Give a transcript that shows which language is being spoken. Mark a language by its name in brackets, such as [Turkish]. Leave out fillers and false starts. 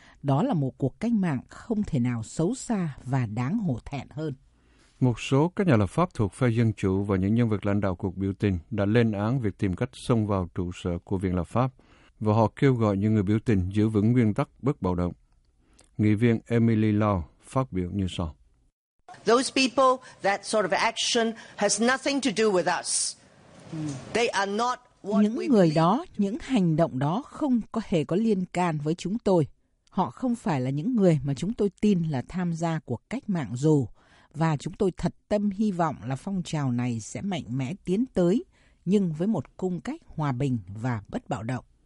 [Vietnamese] Đó là một cuộc cách mạng không thể nào xấu xa và đáng hổ thẹn hơn. Một số các nhà lập pháp thuộc phe Dân Chủ và những nhân vật lãnh đạo cuộc biểu tình đã lên án việc tìm cách xông vào trụ sở của Viện Lập pháp và họ kêu gọi những người biểu tình giữ vững nguyên tắc bất bạo động. Nghị viên Emily Law phát biểu như sau. [English] Those people, that sort of action has nothing to do with us. They are not what [Vietnamese] Những người đó, những hành động đó không có hề có liên can với chúng tôi. Họ không phải là những người mà chúng tôi tin là tham gia cuộc cách mạng dù. Và chúng tôi thật tâm hy vọng là phong trào này sẽ mạnh mẽ tiến tới, nhưng với một cung cách hòa bình và bất bạo động.